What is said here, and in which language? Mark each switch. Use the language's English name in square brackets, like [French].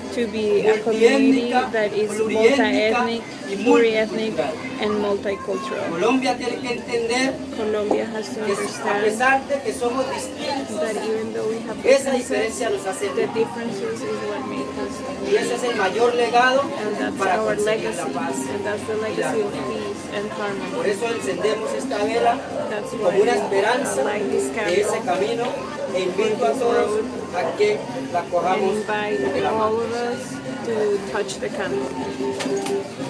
[English] to be a community that is multi-ethnic, pluri-ethnic, and multicultural. [Spanish] Colombia tiene que entender [English] Colombia has to understand [Spanish] que, a pesar de que somos distintos, [English] that even though we have differences, the differences is what makes us. [Spanish] Y ese es el mayor legado [English] and that's [Spanish] para [English] our legacy, and that's the legacy of peace and harmony. [Spanish] Por eso encendemos esta vela como una esperanza de ese camino. E invito a todos a que la cojamos. [English] Invite all of us to touch the candle.